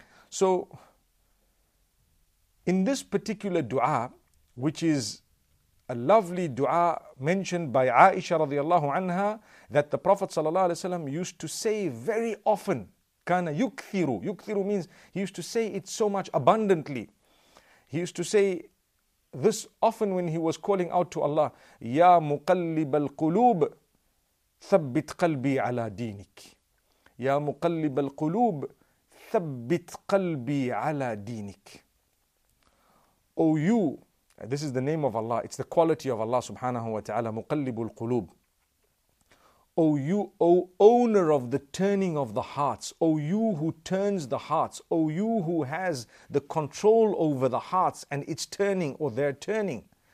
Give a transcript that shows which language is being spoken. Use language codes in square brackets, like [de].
[en] So, in this particular dua, which is a lovely dua mentioned by Aisha radiallahu anha, that the Prophet sallallahu alaihi wasallam used to say very often. [ar] Kana yukthiru. [en] Yukthiru means he used to say it so much abundantly. He used to say this often when he was calling out to Allah, [ar] Ya muqallib al-qulub, ثبت قلبي على دينك. يا مقلب القلوب ثبت قلبي على دينك. [en] O you, this is the name of Allah, it's the quality of Allah subhanahu wa ta'ala, [ar] مقلب القلوب. [en] O you, O owner of the turning of the hearts, O you who turns the hearts, O you who has the control over the hearts and its turning or their turning.